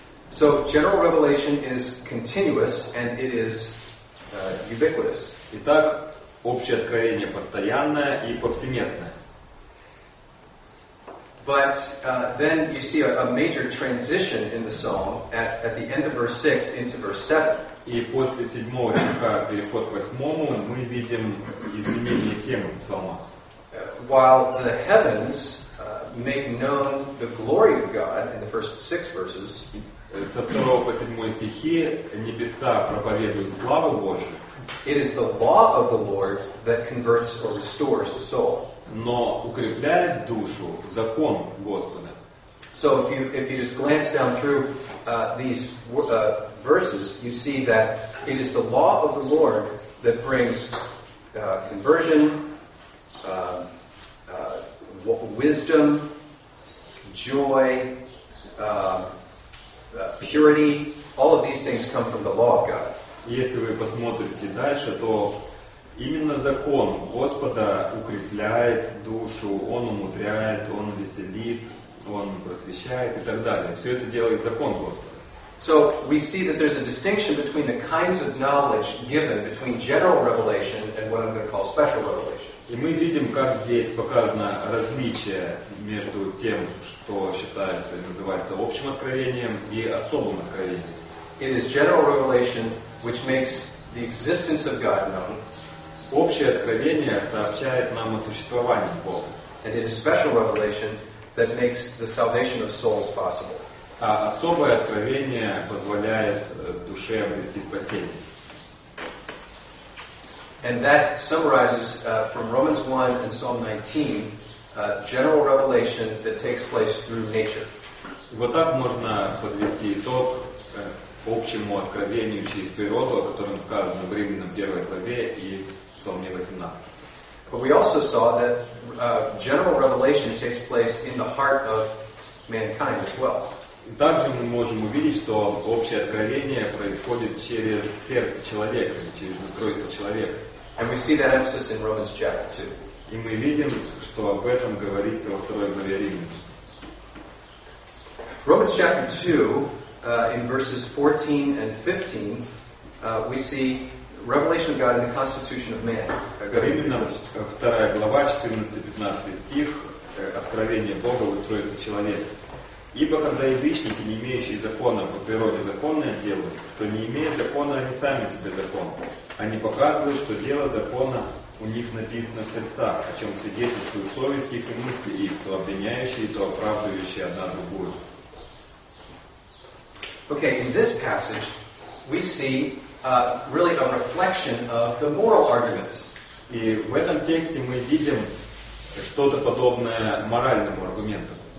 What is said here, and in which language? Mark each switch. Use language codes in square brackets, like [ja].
[en] So general revelation is continuous and it is ubiquitous. [ru] Итак, общее откровение постоянное и повсеместное. [en] But then you see a major transition in the psalm at the end of verse 6 into verse 7. [ru] И после 7 стиха переход к 8 мы видим изменение темы псалма. [en] While the heavens make known the glory of God in the first 6 verses, [ru] со 2 по 7 стихи небеса проповедуют славу Божию. [en] It is the law of the Lord that converts or restores the soul. [ru] Но укрепляет душу закон Господа. [en] So if you just glance down through these verses, you see that it is the law of the Lord that brings conversion, wisdom, joy, purity, all of these things come from the law of God. [ru] Если вы посмотрите дальше, то именно закон Господа укрепляет душу, он умудряет, он веселит, он просвещает и так далее. Все это делает закон Господа. [en] So we see that there's a distinction between the kinds of knowledge given between general revelation and what I'm going to call special revelation. [ru] И мы видим, как здесь показано различие между тем, что считается и называется общим откровением, и особым откровением. [en] It is general revelation which makes the existence of God known. [ru] Общее откровение сообщает нам о существовании Бога. [en] And it is special revelation that makes the salvation of souls possible. [ru] А особое откровение позволяет душе обрести спасение. [en] And that summarizes from Romans 1 and Psalm 19 general revelation that takes place through nature. [ru] Вот так можно подвести итог общему откровению через природу, о котором сказано в Римлянам 1 главе и в Псалме 18. [en] But we also saw that general revelation takes place in the heart of mankind as well. [ru] Также мы можем увидеть, что общее откровение происходит через сердце человека, через устройство человека. [en] And we see that emphasis in Romans chapter 2. [ru] И мы видим, что об этом говорится во второй главе Римлян. [en] Romans chapter 2, in verses 14 and 15, we see revelation of God in the constitution of man. [ru] Именно 2 глава, 14-15 стих, откровение Бога в устройстве человека. Ибо когда язычники, не имеющие закона, по природе законное дело, то не имея закона, они сами себе закон. Они показывают, что дело закона у них написано в сердцах, о чем свидетельствуют совесть их и мысли их, то обвиняющие, то оправдывающие одна другую. [en] Okay, in this passage, we see really a reflection of the moral arguments. [ru] И в этом тексте мы видим что-то подобное моральному аргументу.